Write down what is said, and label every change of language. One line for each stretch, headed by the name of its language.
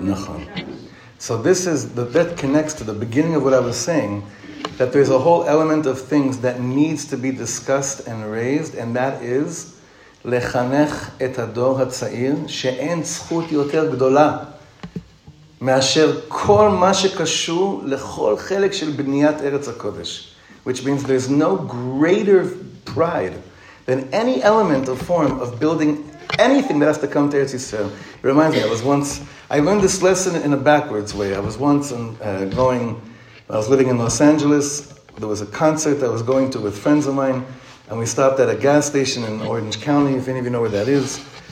Hebrew: Nachon.
English: So this is, that connects to the beginning of what I was saying, that there's a whole element of things that needs to be discussed and raised, and that is,
Hebrew: lechanech et hador hatzair, she'en zchut yoter gdola. מאשר כל מה שקשור לכל חלק של בניית ארץ הקודש.
English: Which means there's no greater pride than any element or form of building anything that has to come to Eretz Yisrael. It reminds me, I learned this lesson in a backwards way. I was once I was living in Los Angeles. There was a concert I was going to with friends of mine. And we stopped at a gas station in Orange County, if any of you know where that is.